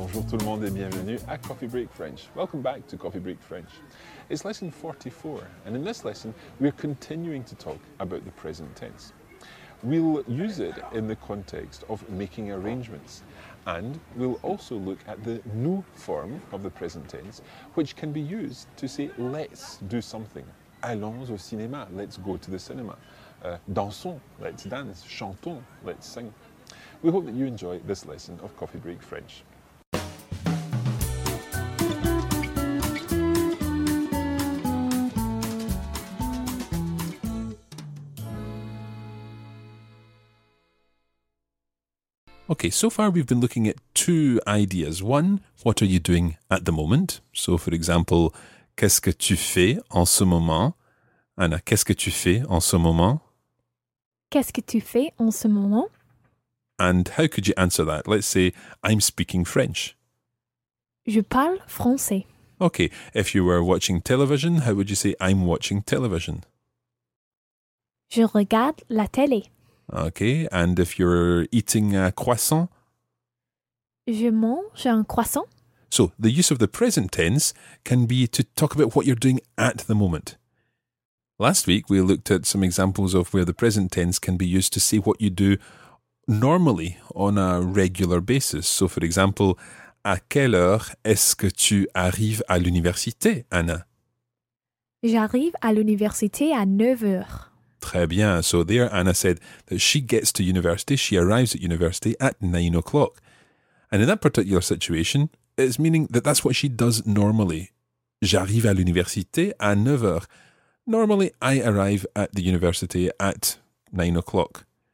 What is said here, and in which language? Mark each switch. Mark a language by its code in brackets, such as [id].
[fr] Tout le monde et bienvenue à Coffee Break French. [en] Welcome back to Coffee Break French. It's lesson 44, and in this lesson, we're continuing to talk about the present tense. We'll use it in the context of making arrangements, and we'll also look at the nous form of the present tense, which can be used to say, let's do something. [fr] Allons au cinéma, [en] let's go to the cinema. [fr] Dansons, [en] let's dance. [fr] Chantons, [en] let's sing. We hope that you enjoy this lesson of Coffee Break French. Okay, so far we've been looking at two ideas. One, what are you doing at the moment? So, for example, [fr] qu'est-ce que tu fais en ce moment? Anna, qu'est-ce que tu fais en ce moment? Qu'est-ce que tu fais en ce moment? [en] And how could you answer that? Let's say, I'm speaking French. [fr] Je parle français. [en] Okay, if you were watching television, how would you say, I'm watching television? [fr] Je regarde la télé. [en] Okay, and if you're eating a croissant? [fr] Je mange un croissant. [en] So, the use of the present tense can be to talk about what you're doing at the moment. Last week, we looked at some examples of where the present tense can be used to say what you do normally on a regular basis. So, for example, [fr] à quelle heure est-ce que tu arrives à l'université, Anna? J'arrive à l'université à 9h. Très bien. [en] So there, Anna said that she gets to university, she arrives at university at 9 o'clock. And in that particular situation, it's meaning that that's what she does normally. [fr] J'arrive à l'université à 9h. [en] Normally, I arrive at the university at 9 o'clock.